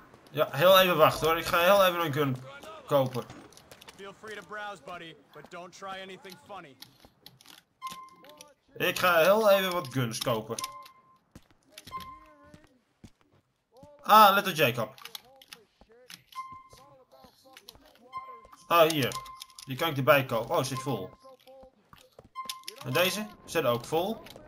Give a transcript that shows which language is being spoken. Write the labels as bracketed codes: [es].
[nl] Ja, heel even wachten hoor. Ik ga heel even een gun kopen. [en] Feel free to browse, buddy, but don't try anything funny. [nl] Ik ga heel even wat guns kopen. Ah, Little Jacob. Ah, hier. Die kan ik erbij kopen. Oh, zit vol. En deze zit ook vol.